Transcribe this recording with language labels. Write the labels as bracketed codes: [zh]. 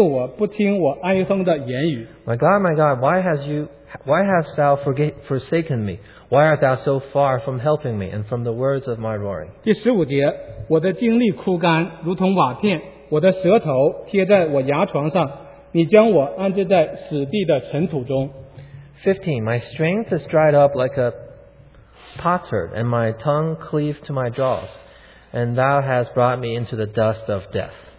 [zh] 为什么远离,不救我,不听我哀哼的言语? [en] My God, why hast thou forsaken me? Why art thou so far from helping me and from the words of my roaring? [zh] 第十五节,我的精力枯干,如同瓦片,我的舌头贴在我牙床上, 你将我安置在死地的尘土中。 [en] 15. My strength is dried up like a potsherd, and my tongue cleaved to my jaws, and thou hast brought me into the dust of death.